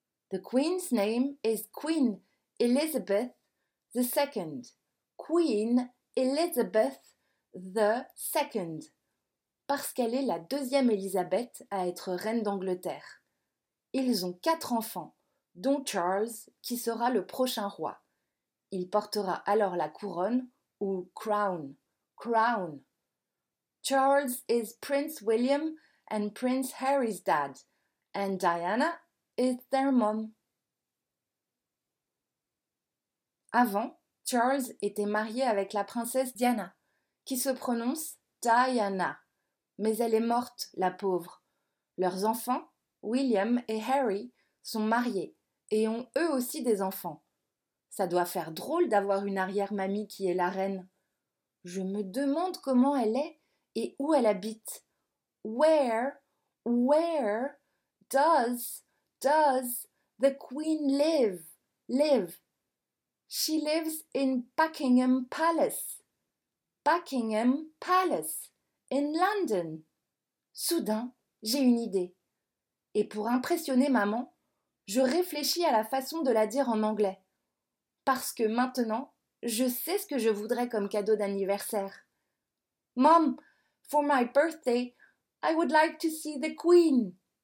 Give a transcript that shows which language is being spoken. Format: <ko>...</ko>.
<en>The queen's name is Queen Elizabeth the Second. Queen Elizabeth the Second.</en> <fr>Parce qu'elle est la deuxième Elizabeth à être reine d'Angleterre. Ils ont 4 enfants, dont Charles, qui sera le prochain roi. Il portera alors la couronne ou crown. Crown.</fr> <en>Charles is Prince William and Prince Harry's dad, and Diana is their mom.</en> <fr>Avant, Charles était marié avec la princesse Diana, qui se prononce Diana, mais elle est morte, la pauvre. Leurs enfants, William et Harry, sont mariés et ont eux aussi des enfants. Ça doit faire drôle d'avoir une arrière-mamie qui est la reine. Je me demande comment elle est et où elle habite.</fr> <en>Where does the Queen live? Live. She lives in Buckingham Palace. Buckingham Palace, in London.</en> <fr>Soudain, j'ai une idée. Et pour impressionner maman, je réfléchis à la façon de la dire en anglais. Parce que maintenant, je sais ce que je voudrais comme cadeau d'anniversaire.</fr> <en>Mom, for my birthday, I would like to see the Queen.</en>